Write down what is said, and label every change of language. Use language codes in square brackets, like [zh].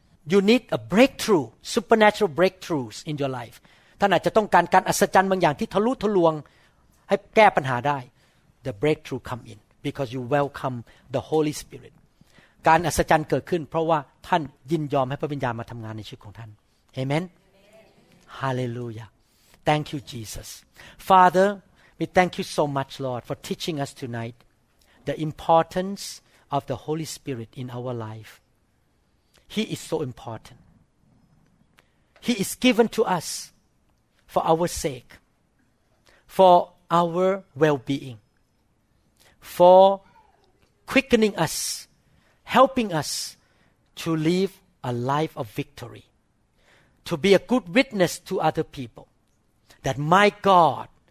[en] You need a breakthrough, supernatural breakthroughs in your life. [th] ท่านอาจจะต้องการการอัศจรรย์บางอย่างที่ทะลุทะลวงให้แก้ปัญหาได้ [en] The breakthrough come in because you welcome the Holy Spirit. [th] การอัศจรรย์เกิดขึ้นเพราะว่าท่านยินยอมให้พระวิญญาณมาทำงานในชีวิตของท่าน Amen. [en] Hallelujah. Thank you, Jesus. Father, we thank you so much, Lord, for teaching us tonight the importance of the Holy Spirit in our life. He is so important. He is given to us for our sake, for our well-being, for quickening us, helping us to live a life of victory, to be a good witness to other people.That my God